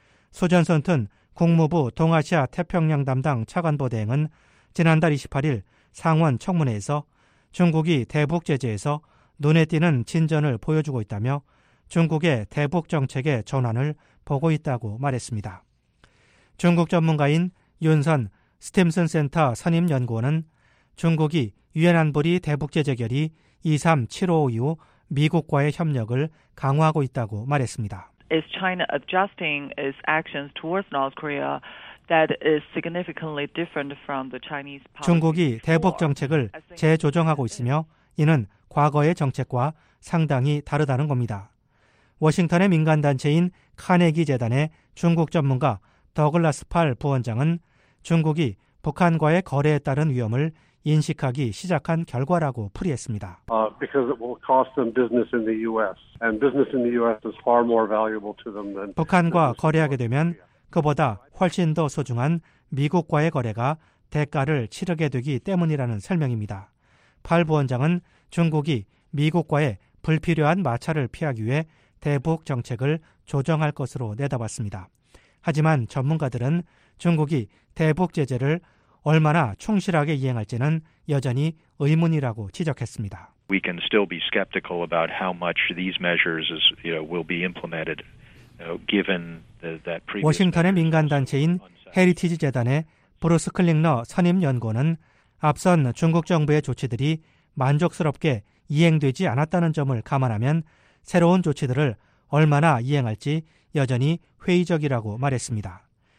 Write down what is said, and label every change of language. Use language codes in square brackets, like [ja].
[ko] 소전선튼 국무부 동아시아 태평양 담당 차관보대행은 지난달 28일 상원 청문회에서 중국이 대북 제재에서 눈에 띄는 진전을 보여주고 있다며 중국의 대북 정책의 전환을 보고 있다고 말했습니다. 중국 전문가인 윤선 스팀슨 센터 선임 연구원은 중국이 유엔 안보리 대북 제재 결의 23755 이후 미국과의 협력을 강화하고 있다고 말했습니다. [en] Is China adjusting its actions towards North Korea that is significantly different from the Chinese policy? [ko] 중국이 대북 정책을 재조정하고 있으며 이는 과거의 정책과 상당히 다르다는 겁니다. 워싱턴의 민간 단체인 카네기 재단의 중국 전문가 더글라스 팔 부원장은 중국이 북한과의 거래에 따른 위험을 인식하기 시작한 결과라고 풀이했습니다. [en] Because it will cost them business in the US and business in the US is far more valuable to them than [ko] 북한과 거래하게 되면 그보다 훨씬 더 소중한 미국과의 거래가 대가를 치르게 되기 때문이라는 설명입니다. 팔 부원장은 중국이 미국과의 불필요한 마찰을 피하기 위해 대북 정책을 조정할 것으로 내다봤습니다. 하지만 전문가들은 중국이 대북 제재를 얼마나 충실하게 이행할지는 여전히 의문이라고 지적했습니다. [en] We can still be skeptical about how much these measures is, you know, will be implemented given that previous [ko] 워싱턴의 민간 단체인 헤리티지 재단의 브루스 클링너 선임 연구원은 앞선 중국 정부의 조치들이 만족스럽게 이행되지 않았다는 점을 감안하면 새로운 조치들을 얼마나 이행할지 여전히 회의적이라고 말했습니다.